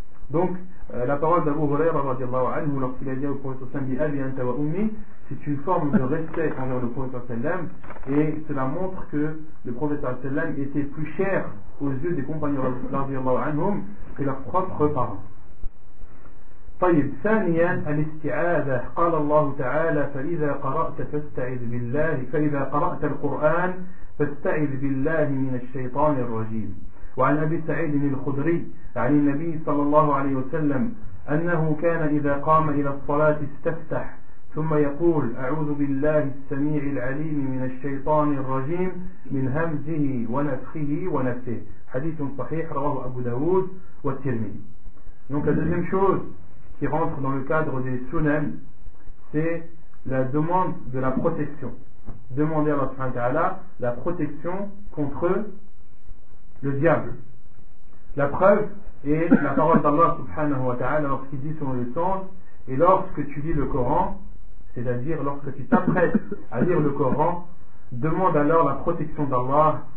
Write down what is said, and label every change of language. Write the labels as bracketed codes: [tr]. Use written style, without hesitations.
[fr] Donc la parole d'Abu Huraira radiallahu anhu, lorsqu'il a dit au prophète sallam, [ar] bi abi anta wa ummi, [fr] c'est une forme de respect envers le prophète sallam, et cela montre que le prophète sallam était plus cher aux yeux des compagnons radhiyallahu anhum que leurs propres parents. [ar] طيب ثانيا الاستعاذة قال الله تعالى فإذا قرأت فاستعذ بالله فإذا قرأت القرآن فاستعذ بالله من الشيطان الرجيم. وعن أبي سعيد الخدري عن النبي صلى الله عليه وسلم أنه كان إذا قام إلى الصلاة استفتح ثم يقول أعوذ بالله السميع العليم من الشيطان الرجيم من همزه ونفخه ونفثه. حديث صحيح رواه أبو داود والترمذي. [fr] Donc la deuxième chose qui rentre dans le cadre des sunan, c'est la demande de la protection. Demander à Allah subhanahu wa ta'ala la protection contre le diable. La preuve est la parole d'Allah subhanahu wa ta'ala lorsqu'il dit selon le sens, et lorsque tu lis le Coran, c'est-à-dire lorsque tu t'apprêtes à lire le Coran, demande alors la protection d'Allah